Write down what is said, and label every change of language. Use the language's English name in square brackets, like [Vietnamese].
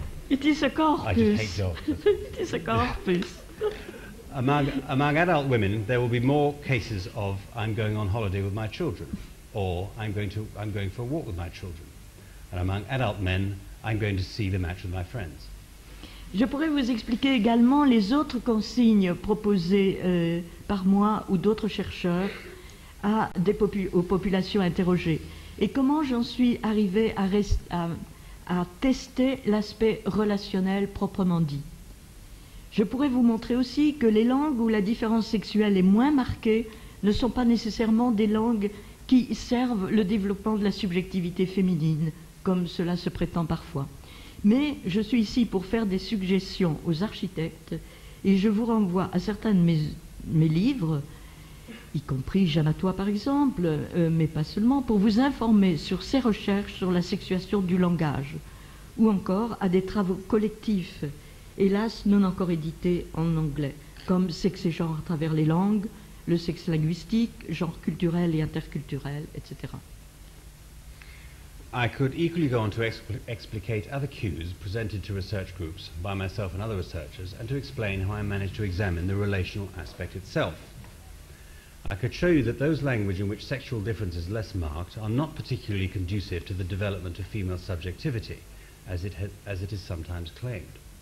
[English] It is a corpus. I just hate dogs. It is a corpus. Among adult women, there will be more cases of I'm going on holiday with my children, or I'm going for a walk with my children. And among adult men, I'm going to see the match with my friends. [French] Je pourrais vous expliquer également les autres consignes proposées par moi ou d'autres chercheurs aux populations interrogées et comment j'en suis arrivée à tester l'aspect relationnel proprement dit. Je pourrais vous montrer aussi que les langues où la différence sexuelle est moins marquée ne sont pas nécessairement des langues qui servent le développement de la subjectivité féminine, comme cela se prétend parfois. Mais je suis ici pour faire des suggestions aux architectes et je vous renvoie à certains de mes livres, y compris Jamatois par exemple, mais pas seulement, pour vous informer sur ces recherches sur la sexuation du langage ou encore à des travaux collectifs, hélas non encore édités en anglais, comme Sexe et genre à travers les langues, le sexe linguistique, genre culturel et interculturel, etc. [English] I could equally go on to explicate other cues presented to research groups by myself and other researchers and to explain how I managed to examine the relational aspect itself. I could show you that those languages in which sexual difference is less marked are not particularly conducive to the development of female subjectivity, as it is sometimes claimed.